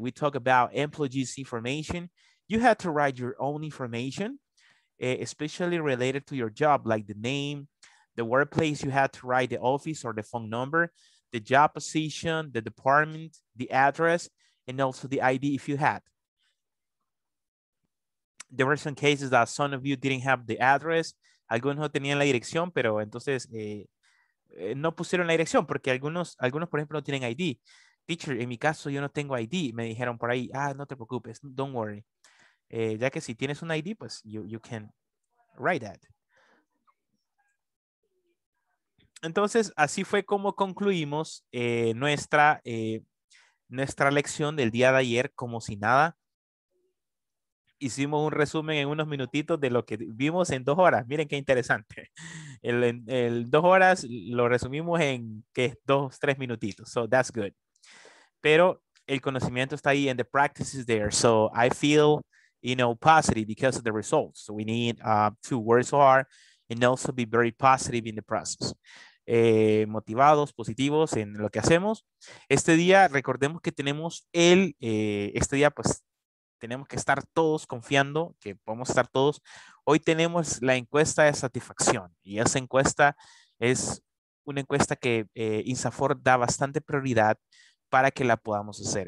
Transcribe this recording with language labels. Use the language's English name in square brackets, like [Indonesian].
[English] We talk about employees information. You had to write your own information, especially related to your job, like the name, the workplace. You had to write the office or the phone number, the job position, the department, the address, and also the ID if you had. There were some cases that some of you didn't have the address. [Spanish] Algunos no tenían la dirección, pero entonces no pusieron la dirección porque algunos, por ejemplo, no tienen ID. Teacher, en mi caso yo no tengo ID. Me dijeron por ahí, ah, no te preocupes, [English] don't worry. [Spanish] Ya que si tienes un ID, pues [English] you can write that. [Spanish] Entonces, así fue como concluimos nuestra lección del día de ayer, como si nada. Hicimos un resumen en unos minutitos de lo que vimos en 2 horas. Miren qué interesante. El 2 horas lo resumimos en, ¿qué? 2, 3 minutitos. [English] So that's good. [Spanish] Pero el conocimiento está ahí [English] and the practice is there. So I feel, you know, positive because of the results. So we need to work so hard and also be very positive in the process. [Spanish] Motivados, positivos en lo que hacemos. Este día, recordemos que tenemos este día, pues, tenemos que estar todos confiando que podemos estar todos. Hoy tenemos la encuesta de satisfacción y esa encuesta es una encuesta que INSAFOR da bastante prioridad para que la podamos hacer.